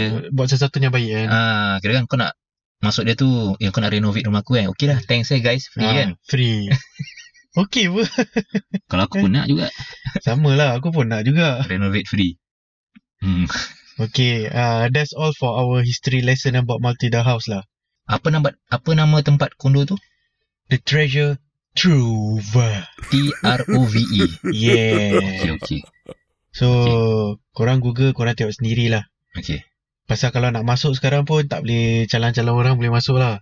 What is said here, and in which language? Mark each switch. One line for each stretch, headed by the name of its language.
Malay: Buat sesuatu yang baik kan. Kira kan kau nak masuk dia tu, yang kau nak renovate rumah aku kan. Okey lah,
English: thanks eh guys,
Malay: free kan. Free. Okey pun. Kalau aku pun nak juga. Sama lah, aku pun nak juga. Renovate free.
English: Okey, that's all for our history lesson about Matilda House lah.
Malay: Apa nama tempat kondo tu?
English: The Treasure Trove. T-R-O-V-E. Yeah. Okay.
Malay: So, korang Google, korang tengok sendirilah.
English: Okay.
Malay: Pasal kalau nak masuk sekarang pun, tak boleh calang-calang orang boleh masuk lah.